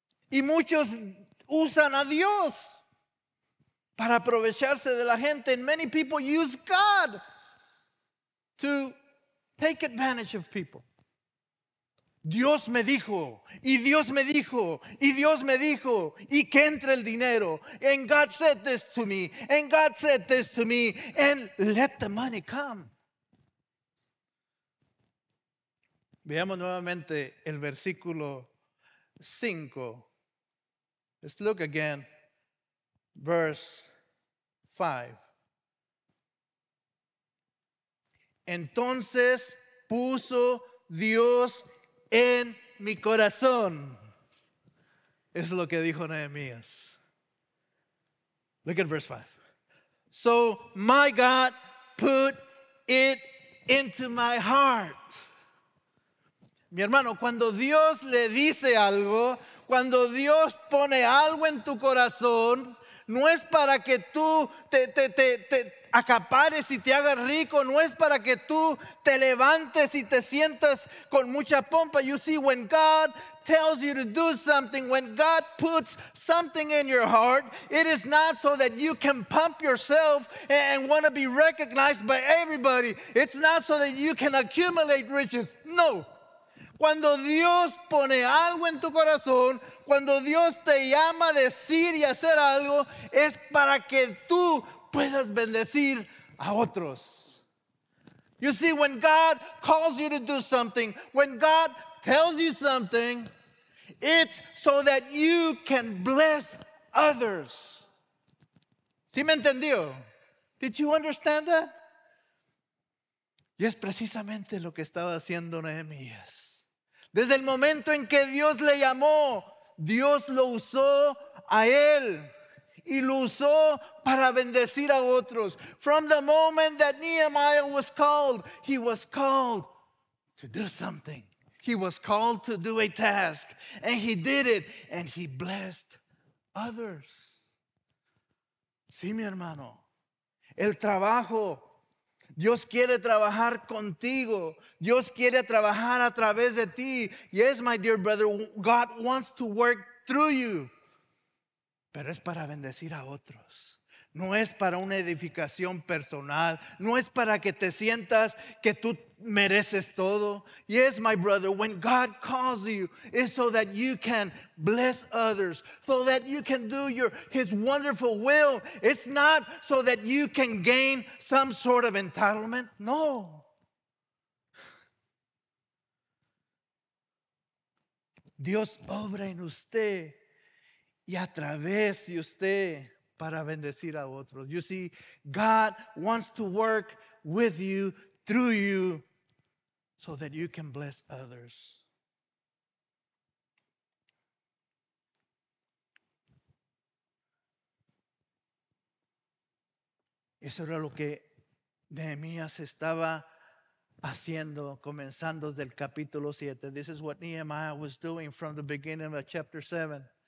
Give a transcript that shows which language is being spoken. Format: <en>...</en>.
<es>Y muchos usan a Dios para aprovecharse de la gente.</es> <en>And many people use God to take advantage of people.</en> <es>Dios me dijo, y Dios me dijo, y Dios me dijo, y que entre el dinero.</es> <en>And God said this to me, and God said this to me, and let the money come.</en> <es>Veamos nuevamente el versículo 5.</es> <en>Let's look again, verse 5.</en> <es>Entonces puso Dios en mi corazón. Es lo que dijo Nehemías.</es> <en>Look at verse 5. So my God put it into my heart.</en> <es>Mi hermano, cuando Dios le dice algo, cuando Dios pone algo en tu corazón, no es para que tú te acapares y te hagas rico, no es para que tú te levantes y te sientas con mucha pompa.</es> <en>You see, when God tells you to do something, when God puts something in your heart, it is not so that you can pump yourself and want to be recognized by everybody. It's not so that you can accumulate riches. No.</en> <es>Cuando Dios pone algo en tu corazón, cuando Dios te llama a decir y hacer algo, es para que tú puedas bendecir a otros.</es> <en>You see, when God calls you to do something, when God tells you something, it's so that you can bless others.</en> <es>¿Sí me entendió?</es> <en>Did you understand that?</en> <es>Y es precisamente lo que estaba haciendo Nehemías. Desde el momento en que Dios le llamó, Dios lo usó a él y lo usó para bendecir a otros.</es> <en>From the moment that Nehemiah was called, he was called to do something. He was called to do a task, and he did it, and he blessed others.</en> <es>Sí, mi hermano, el trabajo. Dios quiere trabajar contigo. Dios quiere trabajar a través de ti.</es> <en>Yes, my dear brother, God wants to work through you.</en> <es>Pero es para bendecir a otros. No es para una edificación personal. No es para que te sientas que tú mereces todo.</es> <en>Yes, my brother, when God calls you, it's so that you can bless others, so that you can do his wonderful will. It's not so that you can gain some sort of entitlement. No.</en> <es>Dios obra en usted y a través de usted para bendecir a otros.</es> <en>You see, God wants to work with you, through you, so that you can bless others.</en> <es>Eso era lo que Nehemías estaba haciendo, comenzando desde el capítulo 7.</es> <en>This is what Nehemiah was doing from the beginning of chapter 7.</en>